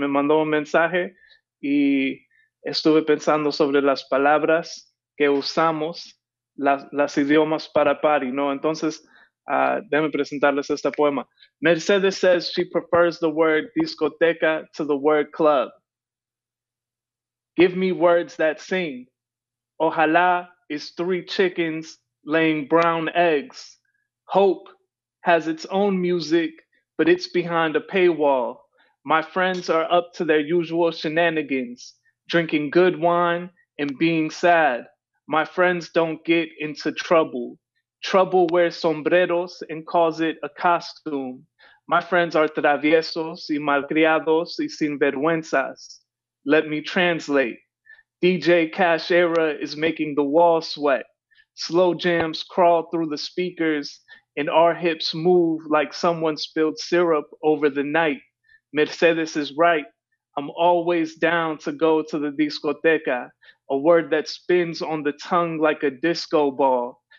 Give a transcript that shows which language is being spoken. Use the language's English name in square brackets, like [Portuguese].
[Spanish] Me mandó un mensaje y estuve pensando sobre las palabras que usamos, las idiomas para party, ¿no? Entonces, déjame presentarles este poema. [English] Mercedes says she prefers the word discoteca to the word club. Give me words that sing. Ojalá is three chickens laying brown eggs. Hope has its own music, but it's behind a paywall. My friends are up to their usual shenanigans, drinking good wine and being sad. My friends don't get into trouble. Trouble wears sombreros and calls it a costume. My friends are [Spanish] traviesos y malcriados y sinvergüenzas. [English] Let me translate. DJ Cash Era is making the wall sweat. Slow jams crawl through the speakers and our hips move like someone spilled syrup over the night. Mercedes is right. I'm always down to go to the discoteca, a word that spins on the tongue like a disco ball.